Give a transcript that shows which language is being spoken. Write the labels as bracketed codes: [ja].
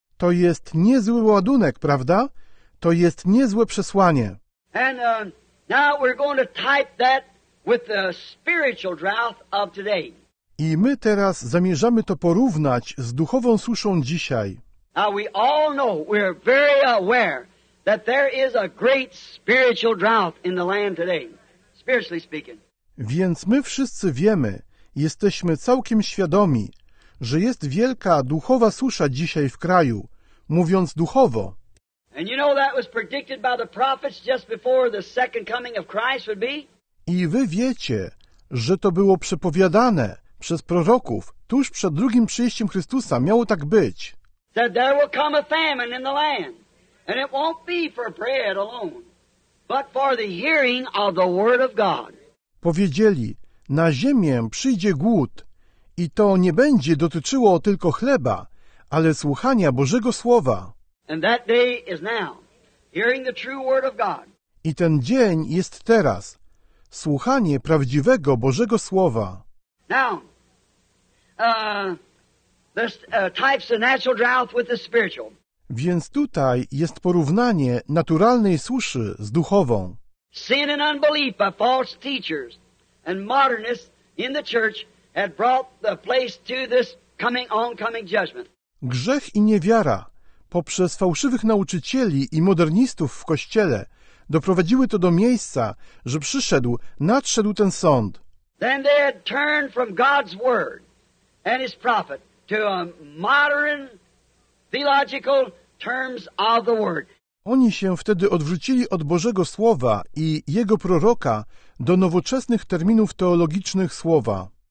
[pl] To jest niezły ładunek, prawda? To jest niezłe przesłanie. [en] And now we're going to type that with the spiritual drought of today. [pl] I my teraz zamierzamy to porównać z duchową suszą dzisiaj. [en] Now we all know, we're very aware that there is a great spiritual drought in the land today, spiritually speaking. [pl] Więc my wszyscy wiemy, jesteśmy całkiem świadomi, że jest wielka duchowa susza dzisiaj w kraju, mówiąc duchowo. [en] And you know that was predicted by the prophets just before the second coming of Christ would be? [pl] I wy wiecie, że to było przepowiadane przez proroków tuż przed drugim przyjściem Chrystusa, miało tak być. [en] That there will come a famine in the land, and it won't be for bread alone, but for the hearing of the word of God. [pl] Powiedzieli, na ziemię przyjdzie głód i to nie będzie dotyczyło tylko chleba, ale słuchania Bożego Słowa. [en] And that day is now, hearing the true word of God. [pl] I ten dzień jest teraz, słuchanie prawdziwego Bożego Słowa. [en] Now, there's types of natural drought with the spiritual. [pl] Więc tutaj jest porównanie naturalnej suszy z duchową. [en] Sin and unbelief by false teachers and modernists in the church had brought the place to this coming oncoming judgment. [pl] Grzech i niewiara poprzez fałszywych nauczycieli i modernistów w kościele doprowadziły to do miejsca, że nadszedł ten sąd. [en] Then they had turned from God's word and his prophet to a modern theological terms of the word. [pl] Oni się wtedy odwrócili od Bożego Słowa i Jego proroka do nowoczesnych terminów teologicznych Słowa.